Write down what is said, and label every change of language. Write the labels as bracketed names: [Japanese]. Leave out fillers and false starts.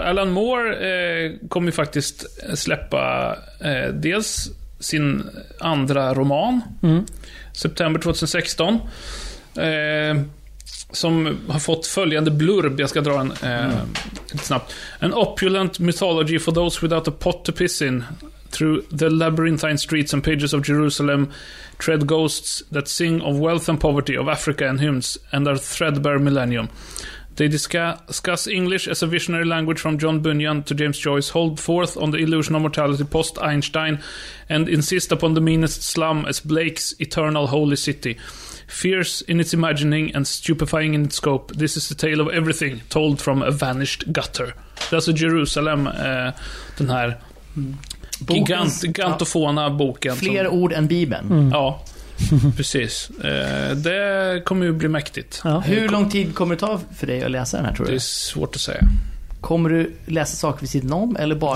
[Swedish] Alan Moore kommer ju faktiskt släppa dels sin andra roman september 2016 som har fått följande blurb. Jag ska dra en lite snabbt. [English] An opulent mythology for those without a pot to piss in. Through the labyrinthine streets and pages of Jerusalem tread ghosts that sing of wealth and poverty, of Africa and hymns, and our threadbare millennium. They discuss English as a visionary language from John Bunyan to James Joyce, hold forth on the illusion of mortality post-Einstein, and insist upon the meanest slum as Blake's eternal holy city. Fierce in its imagining and stupefying in its scope, this is the tale of everything told from a vanished gutter. [Swedish] Det är alltså Jerusalem, den här gigantofona boken. Fler som... ord än Bibeln. Mm. Ja, precis. Det kommer ju bli mäktigt. Ja. Hur lång tid kommer det ta för dig att läsa den här, tror du? Det är svårt att säga. Kommer du läsa saker vid sidan om eller bara